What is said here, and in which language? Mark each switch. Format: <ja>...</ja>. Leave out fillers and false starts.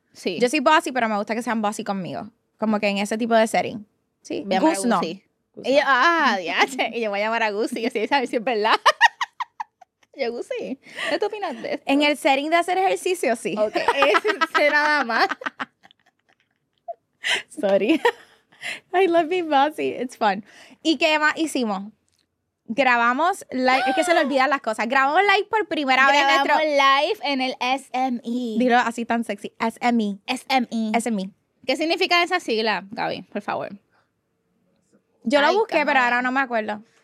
<es>Sí. Yo soy bossy, pero me gusta que sean bossy conmigo. Como que en ese tipo de setting. Sí. Gus no. Y yo, diache. Y yo voy a llamar a Gus y así, ¿sabes si es verdad? Yo, Gus, sí. ¿Qué tú opinas de esto? En el setting de hacer ejercicio, sí. Ok. Ese nada más.</es> <en>Sorry. I love being bossy. It's fun.</en> <es>¿Y qué más hicimos? Grabamos live, es que se le olvidan las cosas. Grabamos live por primera grabamos vez en nuestro live en el SME. Dilo así tan sexy. SME. SME. SME. ¿Qué significa esa sigla, Gaby? Por favor. Yo lo busqué, pero ahora no me acuerdo.</es>